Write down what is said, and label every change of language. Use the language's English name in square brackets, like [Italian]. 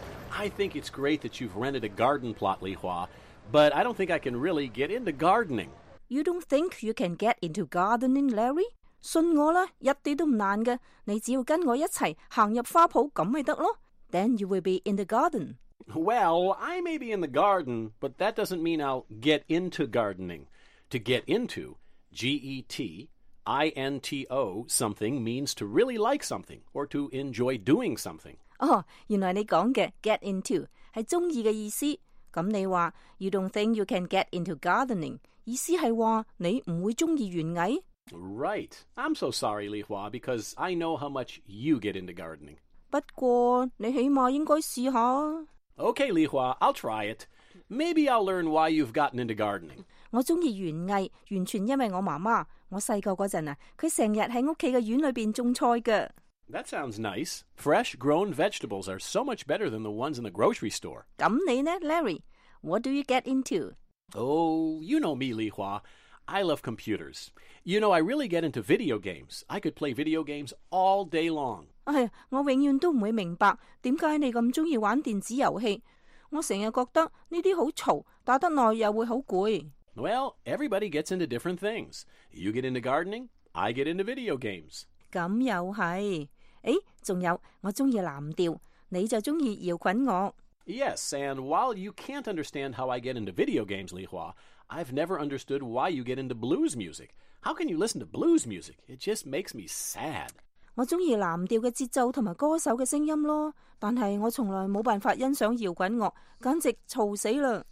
[English] I think it's great that you've rented a garden plot, Li Hua, but I don't think I can really get into gardening. You don't think you can get into gardening, Larry? [Cantonese] 信我啦，一啲都唔难嘅。你只要跟我一齐行入花圃咁咪得咯。 [English] Then you will be in the garden. Well, I may be in the garden, but that doesn't mean I'll get into gardening. To get into, G-E-T-I-N-T-O something means to really like something or to enjoy doing something. [Cantonese] 哦、oh, ，原来你讲嘅 get into 系中意嘅意思。咁你话 you don't think you can get into gardening，意思系话你唔会中意园艺。 [English] Right, I'm so sorry, Li Hua, because I know how much you get into gardening. [Cantonese] 不过你起码应该试下。 [English] Okay, Li Hua, I'll try it. Maybe I'll learn why you've gotten into gardening. [Cantonese] 我中意园艺，完全因为我妈妈。我细个嗰阵啊，佢成日喺屋企嘅院里边种菜噶。 [English] That sounds nice. Fresh grown vegetables are so much better than the ones in the grocery store. 咁你呢, Larry? What do you get into? Oh, you know me, Li Hua. I love computers. You know, I really get into video games. I could play video games all day long. [Cantonese] 哎呀，我永远都唔会明白点解你咁中意玩电子游戏。我成日觉得呢啲好嘈，打得耐又会好攰。 [English] Well, everybody gets into different things. You get into gardening, I get into video games. [Cantonese] 咁又系，诶，仲有我中意蓝调，你就中意摇滚乐。 [English] Yes, and while you can't understand how I get into video games, Li Hua, I've never understood why you get into blues music. How can you listen to blues music? It just makes me sad. [Cantonese] 我中意蓝调嘅节奏同埋歌手嘅声音咯，但系我从来冇办法欣赏摇滚乐，简直嘈死啦。